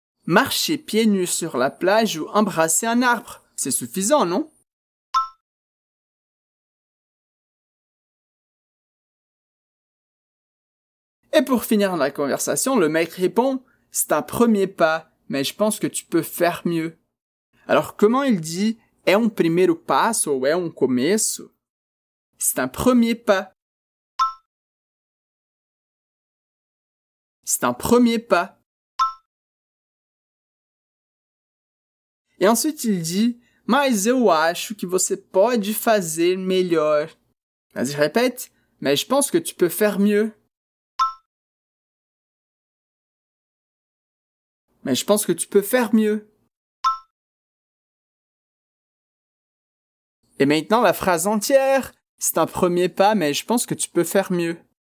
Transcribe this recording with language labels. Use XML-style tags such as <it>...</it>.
<fr>Marcher pieds nus sur la plage ou embrasser un arbre, c'est suffisant, non? Et pour finir la conversation, le mec répond... C'est un premier pas, mais je pense que tu peux faire mieux. Alors, comment il dit «</fr> <pt>é um primeiro passo</pt> <fr>» ou «</fr> <pt>é um começo » ?</pt> <fr>C'est un premier pas. C'est un premier pas. Et ensuite, il dit</fr> <pt>« mas eu acho que você pode fazer melhor ».</pt> <fr>Vas-y, répète. « Mais je pense que tu peux faire mieux ». Mais je pense que tu peux faire mieux. Et maintenant, la phrase entière. C'est un premier pas, mais je pense que tu peux faire mieux.</fr>